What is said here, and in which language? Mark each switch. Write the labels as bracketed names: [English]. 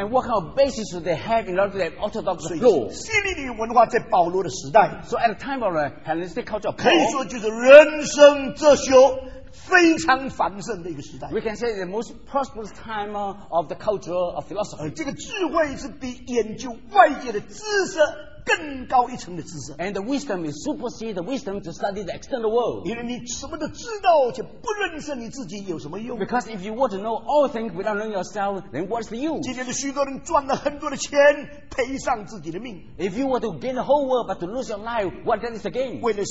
[English] And what kind of basis do they have in order to have orthodox law [Chinese] 希利尼文化在保罗的时代 [English] So at the time of the Hellenistic culture of Paul [Chinese] 可以说就是人生哲学 非常繁盛的一个时代 [English] We can say the most prosperous time of the culture of philosophy [Chinese] 这个智慧是比研究外界的知识 更高一层的知识 [English] And the wisdom is supersede the wisdom to study the external world [Chinese] 因为你什么都知道却不认识你自己有什么用 [English] Because if you want to know all things without knowing yourself then what's the use [Chinese] 今天的许多人赚了很多的钱赔上自己的命 [English] If you want to gain the whole world but to lose your life what then is the gain